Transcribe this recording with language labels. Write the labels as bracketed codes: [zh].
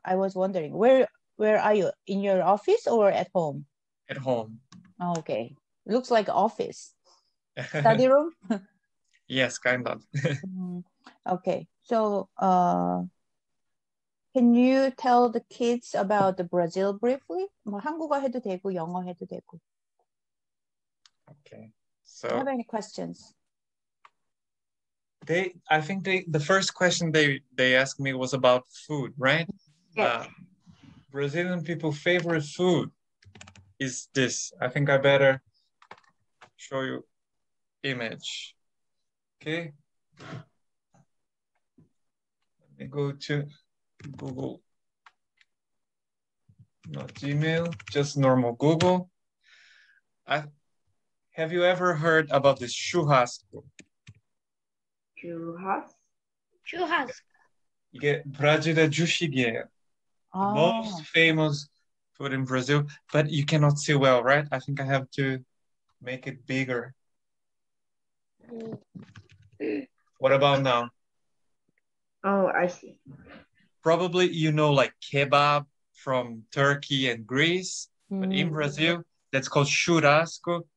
[en] I was wondering, where are you? In your office or at home? At home. Okay. Looks like office. Study room? Yes, kind of. Okay. So, can you tell the kids about the Brazil briefly? [ko] 뭐 한국어 해도 되고 영어 해도 되고. [en] Okay. So, do you have any questions? I think the first question they asked me was about food, right? Yeah. Brazilian people's favorite food is this. I think I better show you image. Okay. Let me go to Google. Not Gmail, just normal Google. Have you ever heard about this churrasco? Churrasco? [ko] 이게 브라질의 주식이에요. [en] Most famous food in Brazil, but you cannot see well, right? I think I have to make it bigger. What about now? Oh, I see. Probably you know like kebab from Turkey and Greece, but in Brazil, that's called churrasco.